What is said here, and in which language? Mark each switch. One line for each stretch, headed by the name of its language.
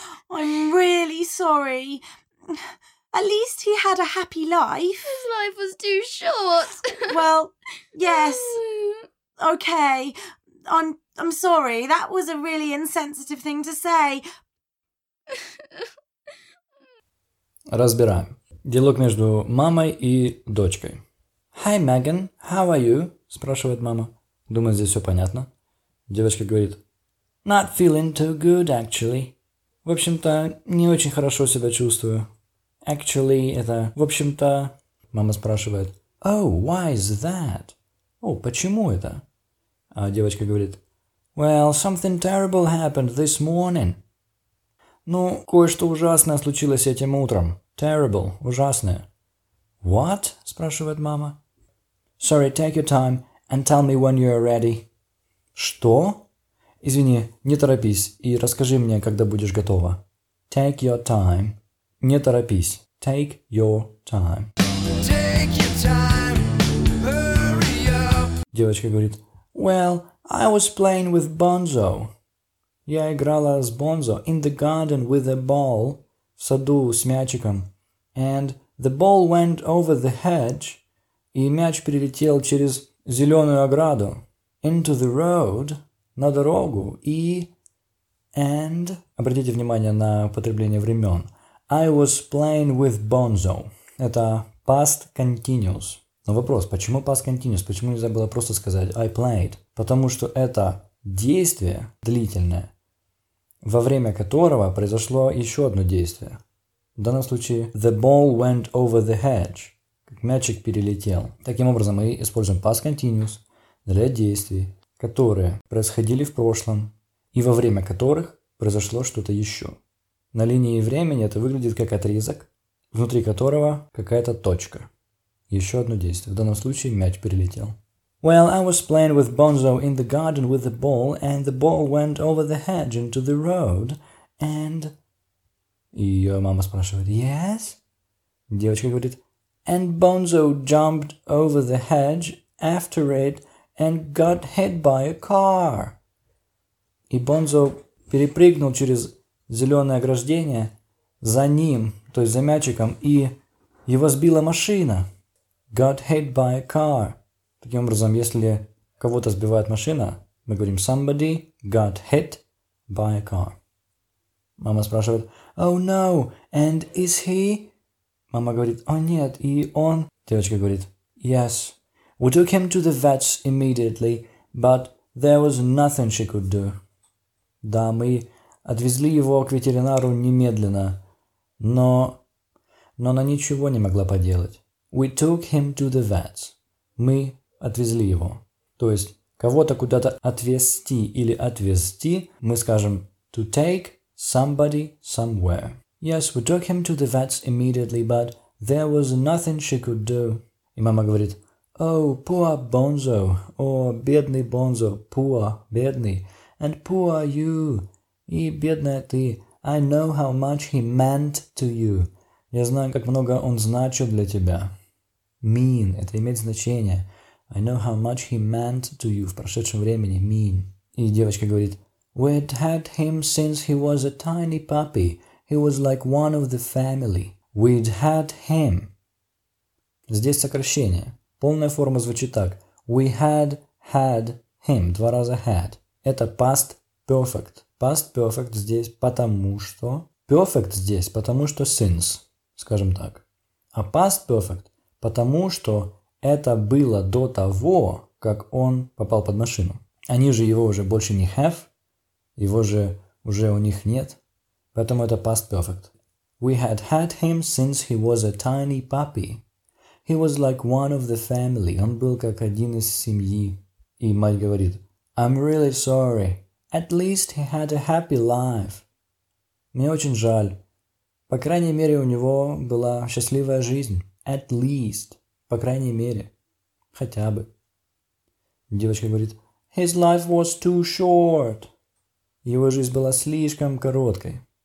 English: I'm really sorry. At least he had a happy life. His life was too short. Well, yes. Okay. I'm sorry. That was a really insensitive thing to say.
Russian: Разбираем. Диалог между мамой и дочкой.
English: Hi, Megan. How are you?
Russian: Спрашивает мама. Думаю, здесь все понятно. Девочка говорит.
English: Not feeling too good, actually.
Russian: В общем-то, не очень хорошо себя чувствую. Actually, это в общем-то... Мама спрашивает.
English: Oh, why is that?
Russian: О, почему это? А девочка говорит.
English: Well, something terrible happened this morning.
Russian: Ну, кое-что ужасное случилось этим утром. Terrible. Ужасное. What? Спрашивает мама.
English: Sorry, take your time and tell me when you're ready.
Russian: Что? Извини, не торопись и расскажи мне, когда будешь готова.
English: Take your time.
Russian: Не торопись.
English: Take your time. Take your time. Hurry up.
Russian: Девочка говорит.
English: Well, I was playing with Bonzo.
Russian: Я играла с Бонзо
English: in the garden with a ball.
Russian: В саду с мячиком.
English: And the ball went over the hedge.
Russian: И мяч перелетел через зеленую ограду.
English: Into the road.
Russian: На дорогу. И...
English: And...
Russian: Обратите внимание на употребление времен. I was playing with Bonzo. Это past continuous. Но вопрос, почему past continuous? Почему нельзя было просто сказать
English: I played?
Russian: Потому что это действие длительное, во время которого произошло еще одно действие. В данном случае
English: the ball went over the hedge.
Russian: Мячик перелетел. Таким образом, мы используем past continuous для действий, которые происходили в прошлом и во время которых произошло что-то еще. На линии времени это выглядит как отрезок, внутри которого какая-то точка. Еще одно действие. В данном случае мяч перелетел.
English: Well, I was playing with Bonzo in the garden with the ball, and the ball went over the hedge into the road, and...
Russian: Ее мама спрашивает. Yes? Девочка говорит...
English: And Bonzo jumped over the hedge after it and got hit by a car.
Russian: И Бонзо перепрыгнул через зеленое ограждение за ним, то есть за мячиком, и его сбила машина.
English: Got hit by a car.
Russian: Таким образом, если кого-то сбивает машина, мы говорим
English: somebody got hit by a car.
Russian: Мама спрашивает,
English: oh no, and is he...
Russian: Мама говорит, о нет, и он... Девочка говорит, yes.
English: We took him to the vets immediately, but there was nothing she could do.
Russian: Да, мы отвезли его к ветеринару немедленно, но она ничего не могла поделать.
English: We took him to the vets.
Russian: Мы отвезли его. То есть, кого-то куда-то отвезти или отвезти, мы скажем
English: to take somebody somewhere. Yes, we took him to the vets immediately, but there was nothing she could do.
Russian: И мама говорит,
English: oh, poor Bonzo.
Russian: Oh, бедный Бонзо. Poor, бедный.
English: And poor you.
Russian: И бедная ты.
English: I know how much he meant to you.
Russian: Я знаю, как много он значил для тебя. Mean. Это имеет значение.
English: I know how much he meant to you.
Russian: В прошедшем времени.
English: Mean.
Russian: И девочка говорит,
English: we'd had him since he was a tiny puppy. He was like one of the family. We'd had him.
Russian: Здесь сокращение. Полная форма звучит так.
English: We had had him.
Russian: Два раза had. Это past perfect. Past perfect здесь потому что. Perfect здесь потому что since. Скажем так. А past perfect потому что это было до того, как он попал под машину. Они же его уже больше не have. Его же уже у них нет. Поэтому это past perfect.
English: We had had him since he was a tiny puppy. He was like one of the family.
Russian: Он был как один из семьи. И мать говорит,
English: I'm really sorry. At least he had a happy life.
Russian: Мне очень жаль. По крайней мере, у него была счастливая жизнь.
English: At least.
Russian: По крайней мере. Хотя бы. Девочка говорит,
English: His life was too short.
Russian: Его жизнь была слишком короткой.